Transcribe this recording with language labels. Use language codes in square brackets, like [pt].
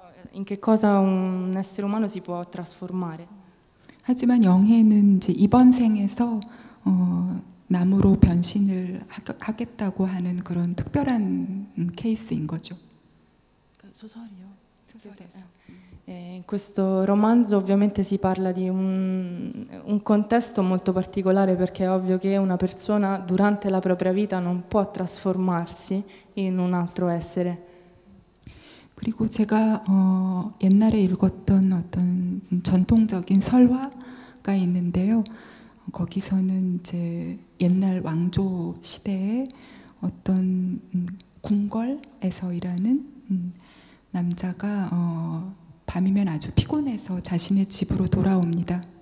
[it] In che cosa un essere umano si può trasformare? [ko] 하지만 영혜는 이제 이번 생에서 나무로 변신을 하겠다고 하는 그런 특별한 케이스인 거죠. 소설이요. 소설에서. [it] In questo romanzo ovviamente si parla di un contesto molto particolare perché è ovvio che una persona durante la propria vita non può trasformarsi in un altro essere. [ko] 그리고 제가 옛날에 읽었던 어떤 전통적인 설화가 있는데요. 거기서는 이제 옛날 왕조 시대에 어떤 궁궐에서 일하는 남자가 밤이면 아주 피곤해서 자신의 집으로 돌아옵니다.